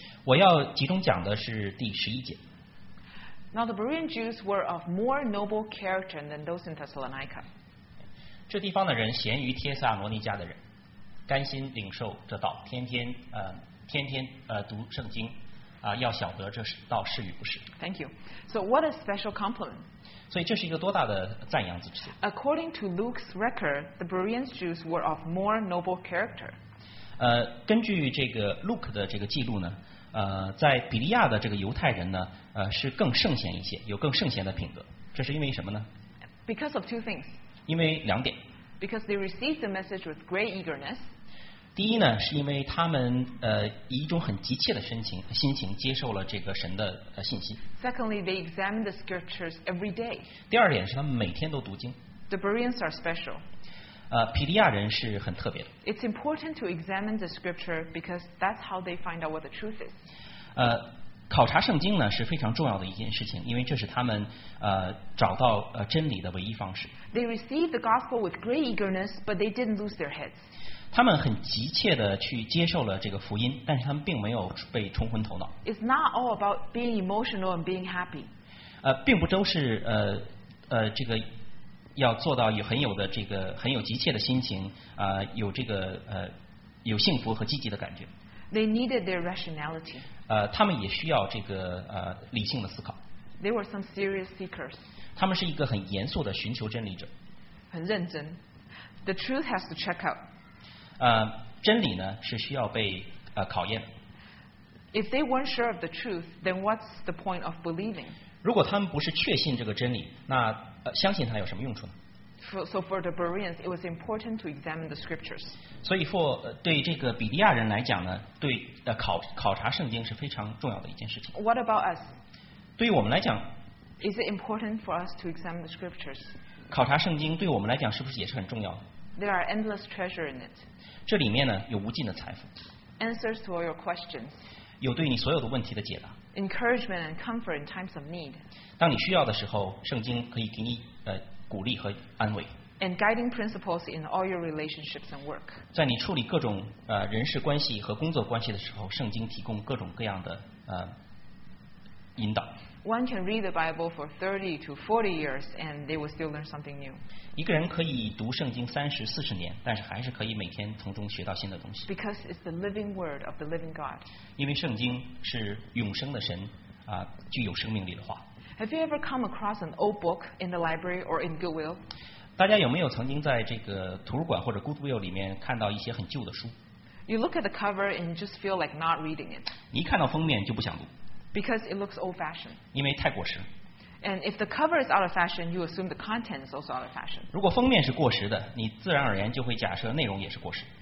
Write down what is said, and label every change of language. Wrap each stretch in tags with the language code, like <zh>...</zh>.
<zh>我要集中讲的是第十一节。</zh> <en>Now the Berean Jews were of more noble character than those in Thessalonica.</en> <zh>这地方的人贤于帖撒罗尼迦的人，甘心领受这道，天天读圣经。要晓得这是道是与不是。</zh> <en>Thank you. So what a special compliment.</en> <zh>所以这是一个多大的赞扬之词。</zh> <en>According to Luke's record, the Berean Jews were of more noble character.</en> <zh>根据这个 Luke 的这个记录呢，在比利亚的这个犹太人呢，是更圣贤一些，有更圣贤的品格。这是因为什么呢？</zh> <en>Because of two things.</en> <zh>因为两点。</zh> <en>Because they received the message with great eagerness.</en> <zh>第一呢，是因为他们以一种很急切的心情接受了这个神的信息。</zh> <en>Secondly, they examine the scriptures every day.</en> <zh>第二点是他们每天都读经。</zh> <en>The Bereans are special.</en> <zh>比利亚人是很特别的。</zh> <en>It's important to examine the scripture because that's how they find out what the truth is.</en> <zh>考察圣经呢是非常重要的一件事情，因为这是他们找到真理的唯一方式。</zh> <en>They received the gospel with great eagerness, but they didn't lose their heads.</en> <zh>他们很急切地去接受了这个福音，但是他们并没有被冲昏头脑。</zh> <en>It's not all about being emotional and being happy.</en> <zh>并不都是这个要做到有很有的这个很有急切的心情，有这个有幸福和积极的感觉。</zh> <en>They needed their rationality.</en> <zh>他们也需要这个理性的思考。</zh> <en>They were some serious seekers.</en> <zh>他们是一个很严肃的寻求真理者。很认真。</zh> <en>The truth has to check out.</en> <zh>真理呢是需要被考验。</zh> <en>If they weren't sure of the truth, then what's the point of believing?</en> <zh>如果他们不是确信这个真理，那相信它有什么用处呢？</zh> <en>So for the Bereans, it was important to examine the scriptures.</en> <zh>所以对这个比利亚人来讲呢，对考察圣经是非常重要的一件事情。</zh> <en>What about us?</en> <zh>对于我们来讲</zh> <en>，Is it important for us to examine the scriptures?</en> <zh>考察圣经对我们来讲是不是也是很重要的？</zh> <en>There are endless treasure in it.</en> <zh>这里面呢有无尽的财富。</zh> <en>Answers to all your questions.</en> <zh>有对你所有的问题的解答。</zh> <en>Encouragement and comfort in times of need.</en> <zh>当你需要的时候，圣经可以给你鼓励和安慰。</zh> <en>And guiding principles in all your relationships and work.</en> <zh>在你处理各种人事关系和工作关系的时候，圣经提供各种各样的引导。</zh> <en>One can read the Bible for 30 to 40 years and they will still learn something new.</en> <zh>一个人可以读圣经30、40年，但是还是可以每天从中学到新的东西。</zh> <en>Because it's the living word of the living God.</en> <zh>因为圣经是永生的神具有生命力的话。</zh> <en>Have you ever come across an old book in the library or in Goodwill?</en> <zh>大家有没有曾经在这个图书馆或者 Goodwill 里面看到一些很旧的书？</zh> <en>You look at the cover and just feel like not reading it.</en> <zh>你一看到封面就不想读。</zh> <en>Because it looks old-fashioned.</en> <zh>因为太过时。</zh> <en>And if the cover is out of fashion, you assume the content is also out of fashion.</en> <zh>如果封面是过时的，你自然而言就会假设内容也是过时。</zh>